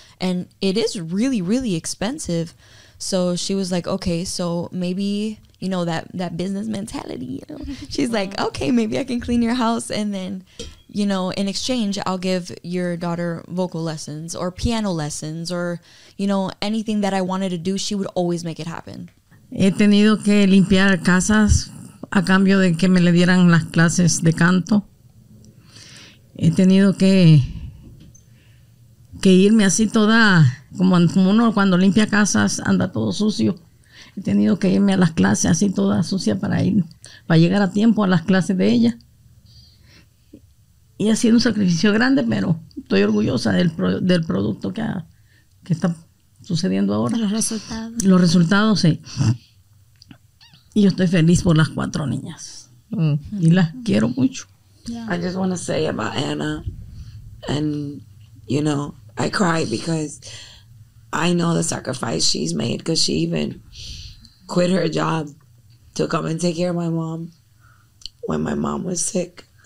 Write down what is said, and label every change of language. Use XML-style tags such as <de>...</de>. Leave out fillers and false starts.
<en>And it is really, really expensive. So she was like, okay, so maybe, you know, that business mentality, you know. She's like, okay, maybe I can clean your house. And then, you know, in exchange, I'll give your daughter vocal lessons or piano lessons or, you know, anything that I wanted to do. She would always make it happen.</en> <es>He tenido que limpiar casas a cambio de que me le dieran las clases de canto. He tenido que irme así toda, como uno cuando limpia casas anda todo sucio. He tenido que irme a las clases así toda sucia para llegar a tiempo a las clases de ella. Y ha sido un sacrificio grande, pero estoy orgullosa del producto que está sucediendo ahora. Los resultados. Los resultados, sí. Y yo estoy feliz por las cuatro niñas. Mm. Y las quiero mucho.</es> <en>Yeah. I just want to say about Anna, and, you know, I cry because I know the sacrifice she's made because she even quit her job to come and take care of my mom when my mom was sick.</en>